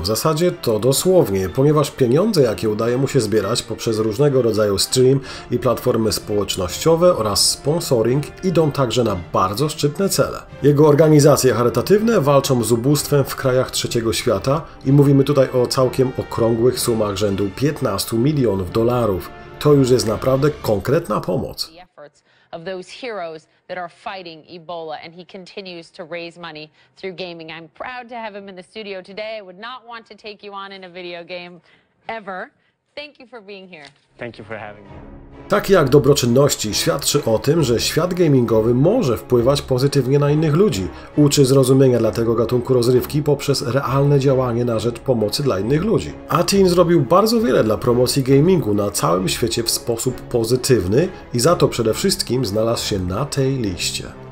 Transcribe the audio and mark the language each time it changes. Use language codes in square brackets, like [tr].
[pl] W zasadzie to dosłownie, ponieważ pieniądze, jakie udaje mu się zbierać poprzez różnego rodzaju stream i platformy społecznościowe oraz sponsoring, idą także na bardzo szczytne cele. Jego organizacje charytatywne walczą z ubóstwem w krajach trzeciego świata i mówimy tutaj o całkiem okrągłych sumach rzędu 15 milionów dolarów. To już jest naprawdę konkretna pomoc. [en] Of those heroes that are fighting Ebola, and he continues to raise money through gaming. I'm proud to have him in the studio today. I would not want to take you on in a video game ever. Thank you for being here. Thank you for having me. [pl] Tak jak dobroczynności świadczy o tym, że świat gamingowy może wpływać pozytywnie na innych ludzi, uczy zrozumienia dla tego gatunku rozrywki poprzez realne działanie na rzecz pomocy dla innych ludzi. Atin zrobił bardzo wiele dla promocji gamingu na całym świecie w sposób pozytywny i za to przede wszystkim znalazł się na tej liście.